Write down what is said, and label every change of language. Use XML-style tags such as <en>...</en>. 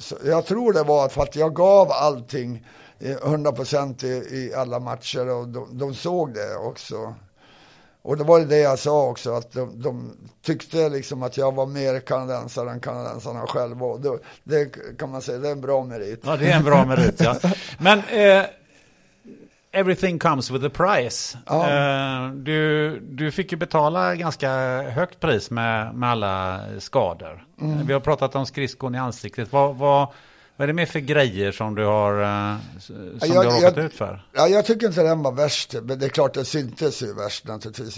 <sv>Jag tror det var för att jag gav allting 100% i alla matcher. Och de såg det också. Och det var det jag sa också, att de tyckte liksom att jag var mer kanadensare än kanadensarna själva. Och det kan man säga, det är en bra merit. Ja, det är en bra merit, ja. Men</sv> <en>everything comes with a price.</en> <sv>Ja. Du fick ju betala ganska högt pris med alla skador. Mm. Vi har pratat om skridskon i ansiktet. Vad är det mer för grejer som du har råkat ut för? Jag tycker inte den var värst. Men det är klart, det syntes ju värst naturligtvis.</sv>